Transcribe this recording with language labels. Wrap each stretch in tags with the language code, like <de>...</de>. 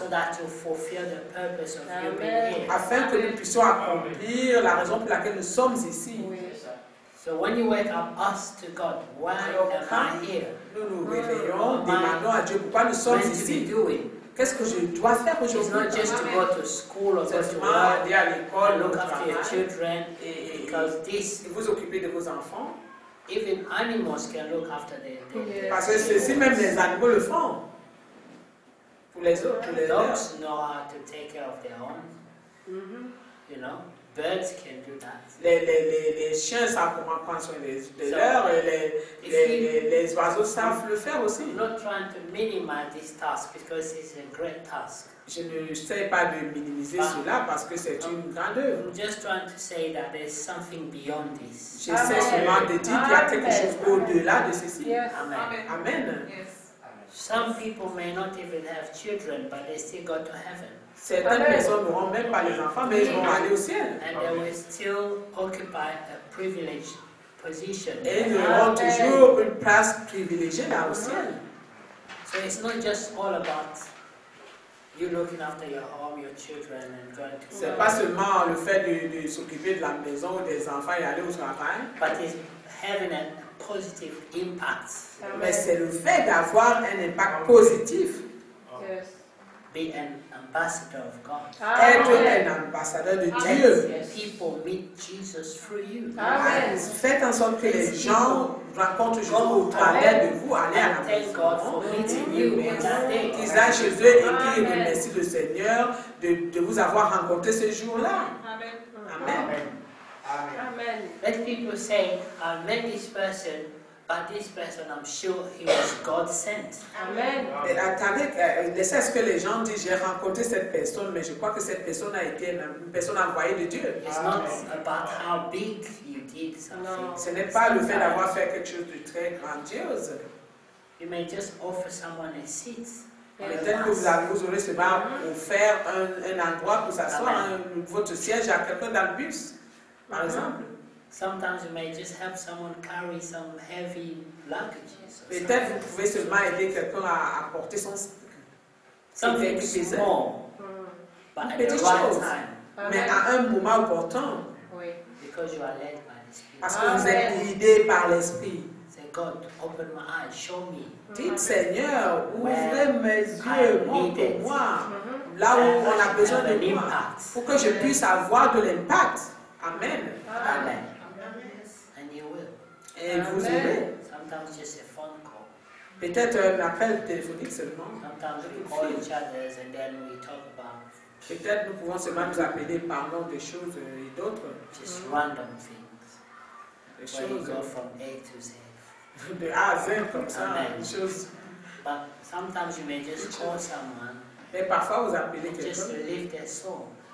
<en>So that you fulfill the purpose of your being here.</en> <fr>Afin que nous puissions accomplir la raison pour laquelle nous sommes ici.</fr> <en>So when you wake up, ask to God, why am I here?</en> <fr>Nous nous réveillons, demandons à Dieu pourquoi nous sommes ici. Qu'est-ce que je dois faire aujourd'hui?</fr> <en>It's not just to go to school or go to work, look after your children, because this.</en> <fr>Vous occupez de vos enfants.</fr> <en>Even animals can look after their.</en> <fr>Parce que ceci même les animaux le font. Pour les autres.</fr> <en>Dogs know how to take care of their own. You know. Birds can do that.</en> <fr>Les chiens savent comment prendre soin des leurs, et les oiseaux savent le faire aussi.</fr> <en>Not trying to minimize this task because it's a great task.</en> <fr>Je ne sais pas de minimiser cela parce que c'est une grande œuvre.</fr> <en>I'm just trying to say that there's something beyond this.</en> <fr>J'essaie seulement de dire qu'il y a quelque chose au-delà de ceci.</fr> <en>Yes. Amen. Yes. Some people may not even have children, but they still go to heaven.</en> <fr>Certaines personnes n'auront même pas les enfants, mais ils vont aller au ciel.</fr> <en>And they will still occupy a privileged position.</en> <fr>Et ils auront toujours une place privilégiée là au ciel.</fr> <en>So it's not just all about you looking after your home, your children, and going to school.</en> <fr>C'est pas seulement le fait de s'occuper de la maison ou des enfants et aller au travail.</fr> <en>But it's having a positive impact.</en> <fr>Mais c'est le fait d'avoir un impact positif.</fr> <en>Yes. Be an ambassador of God.</en> <fr>Être un ambassadeur de Dieu.</fr> <en>People meet Jesus through you. Amen.</en> <fr>Faites en sorte que les gens rencontrent Jésus au travers de vous. Allez à la maison.</fr> <en>Thank God for meeting you.</en> <fr>Ils ont Jésus et qui remercie le Seigneur de vous avoir rencontré ce jour-là. Amen. Amen. Amen.</fr> <en>Let people say, I met this person. But this person, I'm sure he was God sent. Amen.</en> <fr>Et attendez, laissez ce que les gens disent, j'ai rencontré cette personne, mais je crois que cette personne a été une personne envoyée de Dieu.</fr> <en>It's not about how big you did something. No.</en> <fr>Ce n'est pas le fait d'avoir fait quelque chose de très grandiose.</fr> <en>You may just offer someone a seat.</en> <fr>Peut-être que vous aurez seulement offert un endroit pour s'asseoir, votre siège à quelqu'un dans le bus, par exemple.</fr> <en>Sometimes you may just help someone carry some heavy luggage.</en> <fr>Peut-être vous pouvez seulement aider quelqu'un à apporter son sac.</fr> <en>Something small, but at the right time.</en> <fr>Mais à un moment opportun. Oui.</fr> <en>Because you are led by the Spirit.</en> <fr>Parce que vous êtes guidé par l'Esprit.</fr> <en>Say, God, open my eyes, show me.</en> <fr>Dites, Seigneur, ouvrez mes yeux, montre-moi là où on a besoin de moi, pour que je puisse avoir de l'impact. Amen. Amen. Amen.</fr> <en>And you will.</en> <fr>Et vous aurez.</fr> <en>Sometimes just a phone call.</en> <fr>Peut-être un appel téléphonique seulement.</fr> <en>Sometimes we call each other and then we talk about.</en> <fr>Peut-être nous pouvons seulement nous appeler, parlons des choses et d'autres.</fr> <en>Just random things.</en> <fr>Des choses.</fr> <en>Where you go from A to Z.</en> <fr>De A à Z comme ça. Des choses.</fr> <en>But sometimes you may just call someone.</en> <fr>Mais parfois vous appelez quelqu'un.</fr> <en>Just lift their soul.</en>